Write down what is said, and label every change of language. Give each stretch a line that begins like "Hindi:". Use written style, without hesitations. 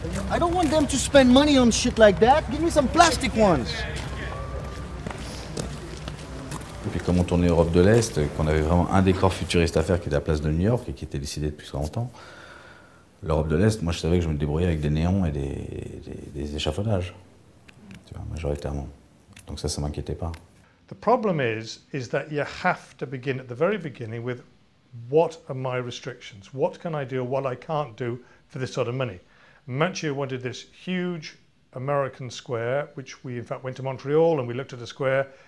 English: I don't want them to spend money on shit like that. Give me some plastic ones.
French: Et puis comme on tournait Europe de l'Est, qu'on avait vraiment un décor futuriste à faire qui était à la place de New York et qui était décidé depuis 30 ans, l'Europe de l'Est, moi je savais que je me débrouillais avec des néons et des échafaudages, tu vois, majoritairement. Donc ça m'inquiétait pas.
English: The problem is that you have to begin at the very beginning with what are my restrictions? What can I do, what I can't do for this sort of money? Mathieu wanted this huge American square, which we in fact went to Montreal and we looked at a square.